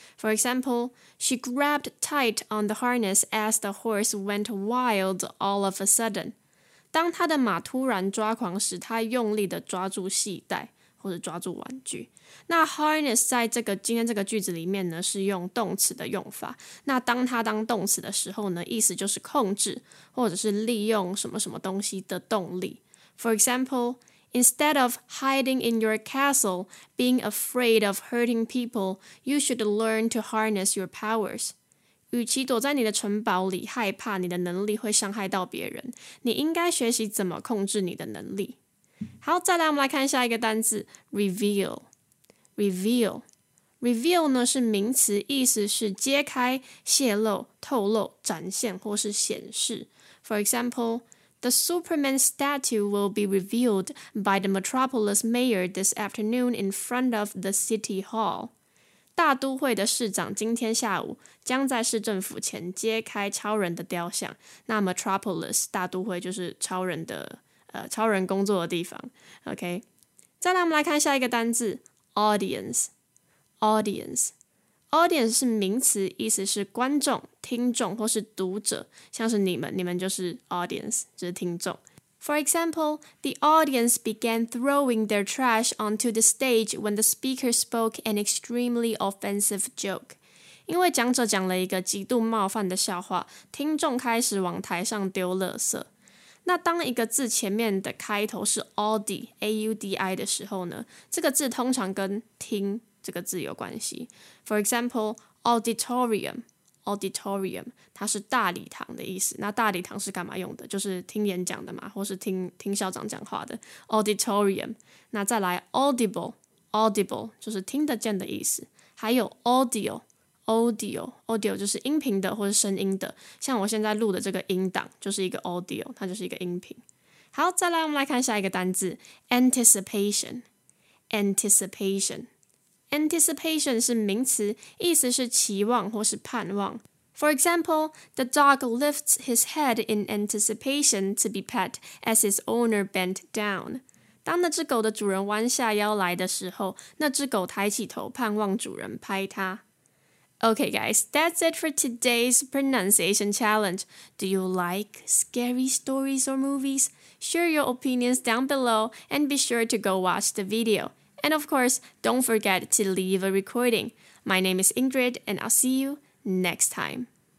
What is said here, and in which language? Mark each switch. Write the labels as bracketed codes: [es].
[en] For example, she grabbed tight on the harness as the horse went wild all of a sudden. [zh] 当他的马突然抓狂时，他用力地抓住系带，或者抓住玩具。那 harness 在这个今天这个句子里面呢，是用动词的用法。那当它当动词的时候呢，意思就是控制或者是利用什么什么东西的动力。 [en] For example, instead of hiding in your castle, being afraid of hurting people, you should learn to harness your powers. [zh] 与其躲在你的城堡里害怕你的能力会伤害到别人，你应该学习怎么控制你的能力。好，再来我们来看下一个单字 reveal。reveal 呢是名词，意思是揭开、泄露、透露、展现或是显示。 [en] For example, the Superman statue will be revealed by the Metropolis mayor this afternoon in front of the city hall. [zh] 大都会的市长今天下午将在市政府前揭开超人的雕像。那 Metropolis 大都会就是超人的超人工作的地方。 OK， 再来我们来看下一个单字 audience。 audience 是名词，意思是观众、听众或是读者，像是你们就是 audience， 就是听众。 [en] For example, the audience began throwing their trash onto the stage when the speaker spoke an extremely offensive joke. [zh] 因为讲者讲了一个极度冒犯的笑话，听众开始往台上丢垃圾。那当一个字前面的开头是 audi, A-U-D-I 的时候呢，这个字通常跟听这个字有关系。 [en] For example, [zh] auditorium 它是大礼堂的意思。那大礼堂是干嘛用的？就是听演讲的嘛，或是听校长讲话的 auditorium。那再来 audible 就是听得见的意思，还有 audio 就是音频的或是声音的，像我现在录的这个音档就是一个 audio， 它就是一个音频。好，再来我们来看下一个单字 anticipation 是名词，意思是期望或是盼望。 [en] For example, the dog lifts his head in anticipation to be pet as his owner bent down. [zh] 当那只狗的主人弯下腰来的时候，那只狗抬起头盼望主人拍它。 [en] Okay guys, that's it for today's pronunciation challenge. Do you like scary stories or movies? Share your opinions down below and be sure to go watch the video. And of course, don't forget to leave a recording. My name is Ingrid, and I'll see you next time.